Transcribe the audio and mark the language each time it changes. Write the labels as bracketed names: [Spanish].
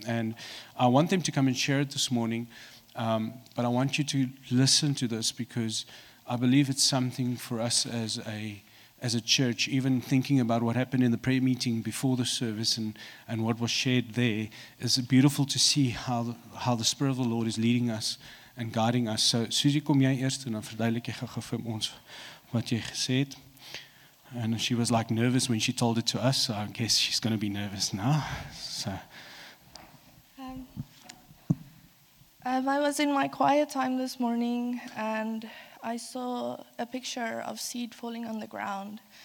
[English] And I want them to come and share it this morning, but I want you to listen to this, because I believe it's something for us as a church, even thinking about what happened in the prayer meeting before the service and what was shared there. It's beautiful to see how the Spirit of the Lord is leading us and guiding us. [Afrikaans] So, Susie, kom jy eerst, en dan verduidelik jy gou vir ons wat jy gesê het. [English] And she was like nervous when she told it to us, so I guess she's going to be nervous now. So, I was in my quiet time this morning, and I saw a picture of seed falling on the ground.